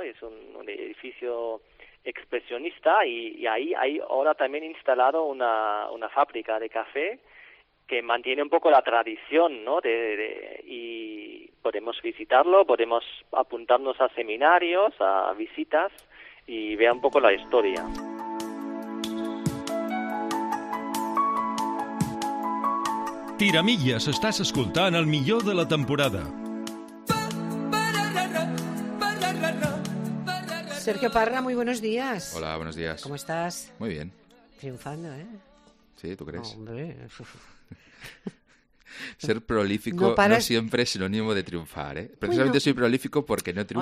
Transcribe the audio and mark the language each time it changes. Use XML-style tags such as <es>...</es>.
<es>Es un edificio expresionista y ahí hay ahora también instalado una fábrica de café que mantiene un poco la tradición, ¿no? Y podemos visitarlo, podemos apuntarnos a seminarios, a visitas y ver un poco la historia.</es> <ca>Tiramillas, estàs escoltant el millor de la temporada.</ca> <es>Sergio Parra, muy buenos días. Hola, buenos días. ¿Cómo estás? Muy bien. Triunfando, ¿eh? Sí, ¿tú crees? Hombre. Ser prolífico no siempre es sinónimo de triunfar, ¿eh? Precisamente soy prolífico porque no triunfo.</es>